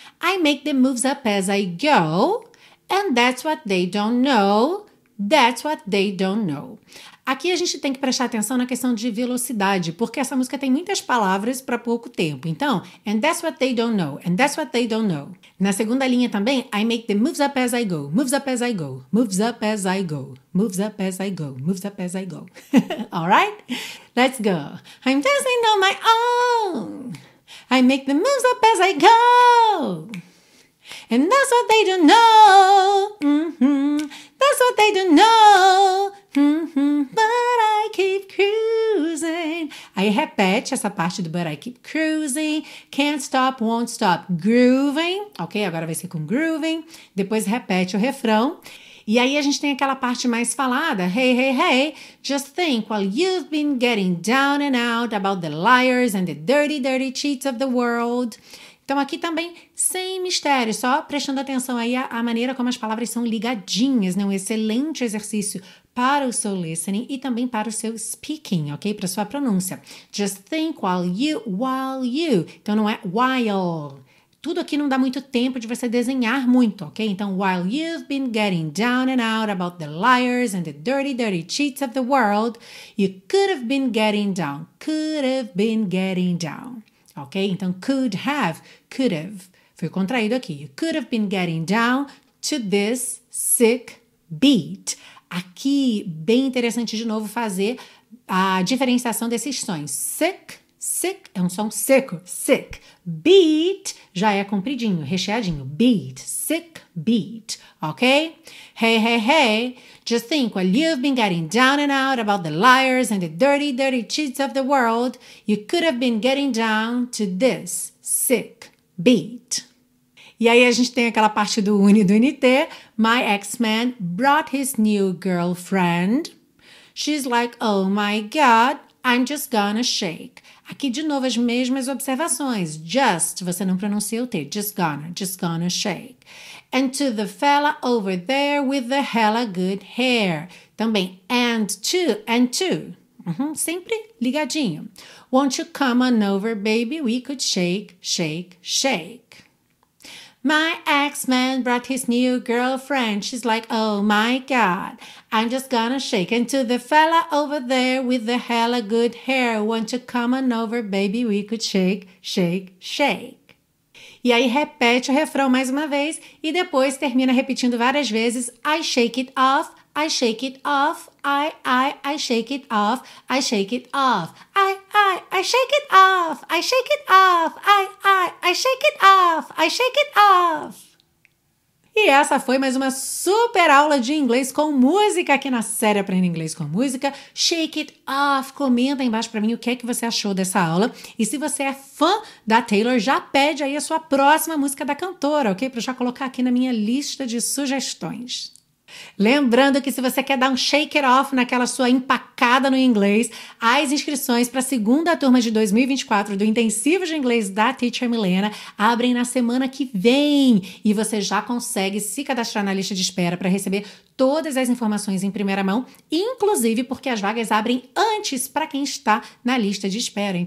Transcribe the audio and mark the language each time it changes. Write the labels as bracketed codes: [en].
[en] I make the moves up as I go. And that's what they don't know. That's what they don't know. [pt] Aqui a gente tem que prestar atenção na questão de velocidade, porque essa música tem muitas palavras para pouco tempo. [en] Então, and that's what they don't know, and that's what they don't know. [pt] Na segunda linha também, [en] I make the moves up as I go, moves up as I go, moves up as I go, moves up as I go, moves up as I go. Alright? Let's go. I'm dancing on my own. I make the moves up as I go. And that's what they don't know. Mm-hmm. That's what they don't know. Mm-hmm, but I keep cruising. [pt] Aí repete essa parte do [en] but I keep cruising. Can't stop, won't stop grooving. [pt] Ok, agora vai ser com grooving. Depois repete o refrão. E aí a gente tem aquela parte mais falada. Hey, hey, hey. [en] Just think while you've been getting down and out about the liars and the dirty, dirty cheats of the world. [pt] Então aqui também sem mistério, só prestando atenção aí à maneira como as palavras são ligadinhas, né? Um excelente exercício para o seu listening e também para o seu speaking, ok? Para a sua pronúncia. [en] Just think while you, [pt] então não é [en] while. [pt] Tudo aqui não dá muito tempo de você desenhar muito, ok? [en] Então, while you've been getting down and out about the liars and the dirty, dirty cheats of the world, you could have been getting down, could have been getting down. Ok? [pt] Então, [en] could have, could have. [pt] Foi contraído aqui. [en] You could have been getting down to this sick beat. [pt] Aqui, bem interessante de novo fazer a diferenciação desses sons. Sick, Sick é um som seco, sick. Beat já é compridinho, recheadinho. [en] Beat, sick beat, ok? Hey, hey, hey, just think while you've been getting down and out about the liars and the dirty, dirty cheats of the world, you could have been getting down to this sick beat. [pt] E aí a gente tem aquela parte do Uni do NT. [en] My ex-man brought his new girlfriend. She's like, oh my God, I'm just gonna shake. [pt] Aqui, de novo, as mesmas observações. Just, você não pronuncia o T. [en] Just gonna shake. And to the fella over there with the hella good hair. [pt] Também, [en] and to. [pt] Uhum, sempre ligadinho. [en] Won't you come on over, baby? We could shake, shake, shake. My ex-man brought his new girlfriend. She's like, oh my God, I'm just gonna shake. And to the fella over there with the hella good hair, won't you come on over, baby, we could shake, shake, shake. [pt] E aí repete o refrão mais uma vez e depois termina repetindo várias vezes. [en] I shake it off, I shake it off, I shake it off, I shake it off. I shake it off, I shake it off, I shake it off, I shake it off. [pt] E essa foi mais uma super aula de inglês com música aqui na série Aprenda Inglês com Música. Shake it off. Comenta aí embaixo pra mim o que é que você achou dessa aula. E se você é fã da Taylor, já pede aí a sua próxima música da cantora, ok? Pra eu já colocar aqui na minha lista de sugestões. Lembrando que se você quer dar um shake it off naquela sua empacada no inglês, as inscrições para a segunda turma de 2024 do Intensivo de Inglês da Teacher Milena abrem na semana que vem e você já consegue se cadastrar na lista de espera para receber todas as informações em primeira mão, inclusive porque as vagas abrem antes para quem está na lista de espera.